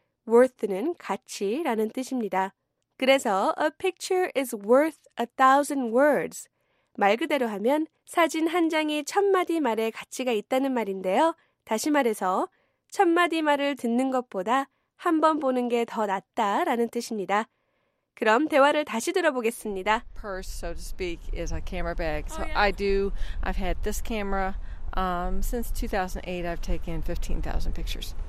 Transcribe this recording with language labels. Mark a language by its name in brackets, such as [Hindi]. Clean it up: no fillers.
[Korean] Worth는 가치라는 뜻입니다. 그래서 [English] A picture is worth a thousand words. [Korean] 말 그대로 하면 사진 한 장이 천 마디 말의 가치가 있다는 말인데요. 다시 말해서 천 마디 말을 듣는 것보다 한 번 보는 게 더 낫다라는 뜻입니다. 그럼 대화를 다시 들어보겠습니다. [English] Purse, so to speak, is a camera bag. So oh, yeah. I do. I've had this camera. Since 2008, I've taken 15,000 pictures.